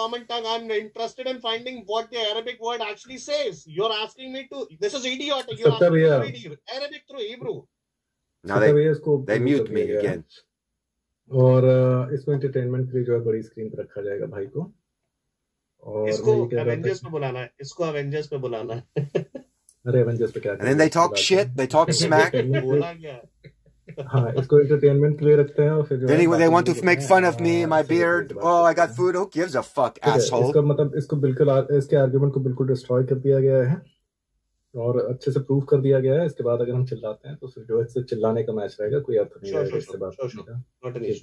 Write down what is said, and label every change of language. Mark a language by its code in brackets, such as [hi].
[en] I'm interested in finding what the Arabic word actually says. You're asking me to. This is idiotic. You're asking me to read Arabic through Hebrew. Now they mute me again. [hi] और इसको entertainment के लिए जो है बड़ी screen पर रखा जाएगा भाई को. इसको Avengers पे बुलाना है. इसको Avengers पे बुलाना है. अरे Avengers पे क्या? [en] And then they talk shit. They talk smack. [hi] इसको एंटरटेनमेंट के लिए रखते हैं और फिर जो [en] anyway they want to make fun of me my beard oh I got food who gives a fuck asshole [hi] इसका मतलब इसको बिल्कुल इसके आर्गुमेंट को बिल्कुल डिस्ट्रॉय कर दिया गया है और अच्छे से प्रूफ कर दिया गया है. इसके बाद अगर हम चिल्लाते हैं तो फिर जो इससे चिल्लाने का मैच रहेगा, कोई अर्थ नहीं रहेगा इसके बाद.